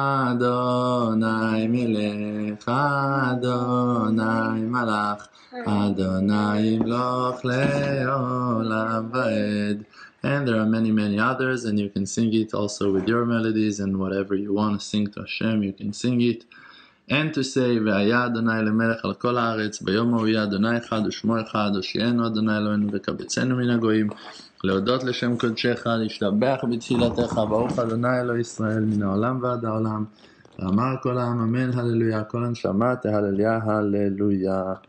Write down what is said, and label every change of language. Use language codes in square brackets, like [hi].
[he] אדוני מלך, אדוני מלך, אדוני מלך לעולם ועד. [en] And there are many, many others, and you can sing it also with your melodies, and whatever you want to sing to Hashem, you can sing it. [he] And to say, והיה אדוני למלך על כל הארץ, ביום הוא יהיה אדוני אחד ושמו אחד, הושיענו אדוני אלוהינו וקבצנו מן הגויים, להודות לשם קודשך, להשתבח בתפילתך, ברוך אדוני אלוהי ישראל מן העולם ועד העולם, ואמר כל העם, אמן, הללויה, כל הנשמה, תהלליה, הללויה.